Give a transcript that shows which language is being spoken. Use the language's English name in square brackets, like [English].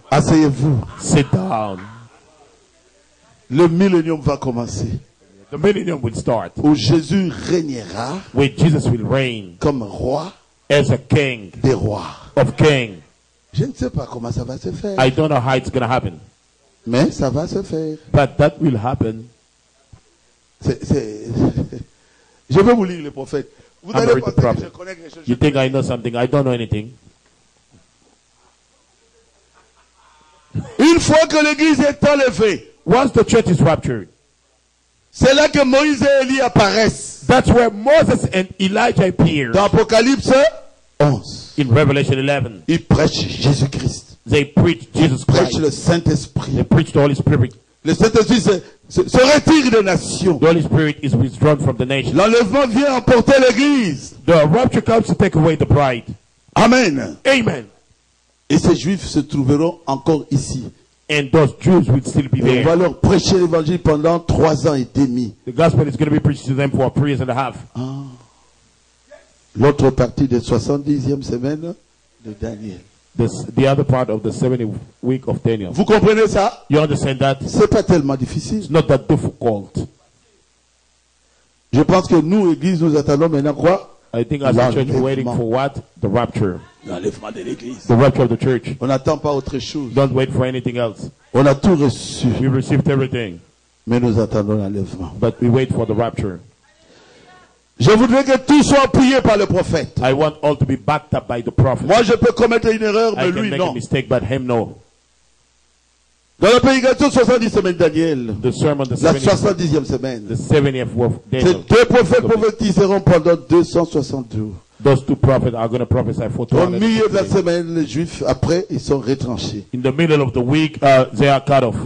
[French] Asseyez-vous. [English] Sit down. [French] Le millénium va commencer. [English] The millennium will start. [French] Où Jésus régnera. [English] Where Jesus will reign. [French] Comme roi. [English] As a king. [French] Des rois. [English] Of kings. [French] Je ne sais pas comment ça va se faire. [English] I don't know how it's going to happen. [French] Mais ça va se faire. [English] But that will happen. [French] C'est... Je vais vous lire le prophète. Vous n'allez pas dire que je connais quelque chose. [English] You think I know something? I don't know anything. [French] Une fois que l'église est enlevée. [English] Once the church is raptured. [French] C'est là que Moïse et Élie apparaissent. [English] That's where Moses and Elijah appear. [French] Dans Apocalypse 11. [English] In Revelation 11, [French] ils prêchent Jésus-Christ. [English] They preach Jesus Christ. [French] Le Saint-Esprit. [English] They preach the Holy Spirit. [French] Le Saint-Esprit se retire des nations. [English] The Holy Spirit is withdrawn from the nations. [French] L'enlèvement vient emporter l'Église. [English] The rapture comes to take away the bride. [French] Amen. [English] Amen. [French] Et ces Juifs se trouveront encore ici. [English] And those Jews will still be there. [French] On va leur prêcher l'Évangile pendant 3 ans et demi. [English] The gospel is going to be preached to them for 3 years and a half. [French] Ah. L'autre partie de 70e semaine de Daniel. [English] The other part of the 70 week of Daniel. [French] Vous comprenez ça? [English] You understand that? [French] C'est pas tellement difficile. [English] It's not that difficult. [French] Je pense que nous, Église, nous attendons maintenant quoi? [English] I think as a church we're waiting for what? The rapture. [French] L'enlèvement de l'Église. [English] The rapture of the church. [French] On n'attend pas autre chose. [English] Don't wait for anything else. [French] On a tout reçu. [English] We received everything. [French] Mais nous attendons l'enlèvement. [English] But we wait for the rapture. [French] Je voudrais que tout soit appuyé par le prophète. [English] I want all to be backed up by the prophet. [French] Moi, je peux commettre une erreur, mais [English] I [French] lui, [English] can make [French] non. [English] A mistake, but him, no. [French] Dans la prédication 70 semaines de Daniel, [English] the sermon, the [French] 70, la 70e semaine, [English] the 70th of Daniel, [French] ces deux prophètes prophétiseront pendant 260 jours. [English] Those two prophets are going to prophesy for 260 days. [French] Au milieu de la semaine, les Juifs, après, ils sont retranchés. [English] In the middle of the week, they are cut off.